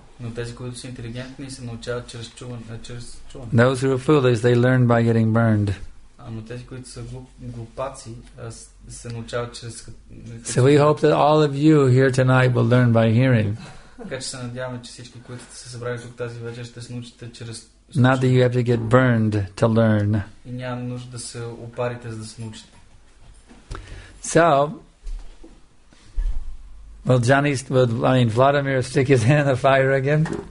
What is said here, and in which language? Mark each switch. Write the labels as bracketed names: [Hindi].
[English] Those who are foolish, they learn by getting burned. [Bulgarian] Но тези, които са глупаци, се научават чрез... [English] So we hope that all of you here tonight will learn by hearing. [Bulgarian] Така че се надяваме, че всички, които са се събрали тук тази вечер, ще се научите чрез... [English] Not that you have to get burned to learn. [Bulgarian] И няма нужда да се опарите, за да се научите. [English] So, Vladimir stick his hand in the fire again?